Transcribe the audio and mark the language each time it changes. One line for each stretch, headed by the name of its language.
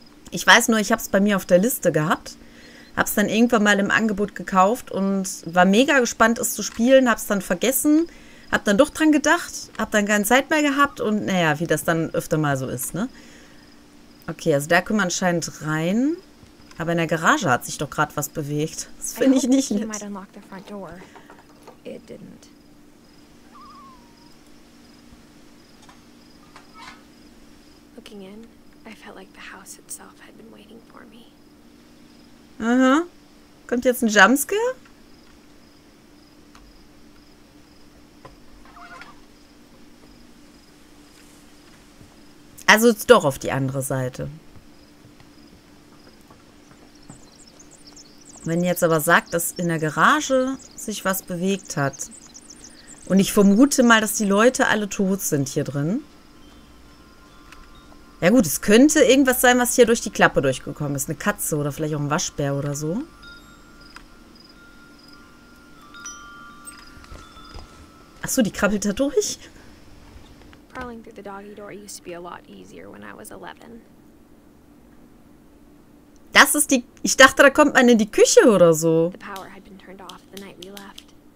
German: Ich weiß nur, ich habe es bei mir auf der Liste gehabt. Habe es dann irgendwann mal im Angebot gekauft und war mega gespannt, es zu spielen. Habe es dann vergessen, habe dann doch dran gedacht, habe dann keine Zeit mehr gehabt und naja, wie das dann öfter mal so ist, ne? Okay, also da können wir anscheinend rein. Aber in der Garage hat sich doch gerade was bewegt. Das finde ich nicht nett.
English: Looking in, I felt like the house itself had been waiting for me.
German: Aha. Kommt jetzt ein Jumpscare? Also jetzt doch auf die andere Seite. Wenn ihr jetzt aber sagt, dass in der Garage sich was bewegt hat. Und ich vermute mal, dass die Leute alle tot sind hier drin. Ja gut, es könnte irgendwas sein, was hier durch die Klappe durchgekommen ist. Eine Katze oder vielleicht auch ein Waschbär oder so. Achso, die krabbelt da durch.
English: Crawling through the doggy door used to be a lot easier when I was 11.
German: Das ist die... Ich dachte, da kommt man in die Küche oder so.
English: The power had been turned off the night we left.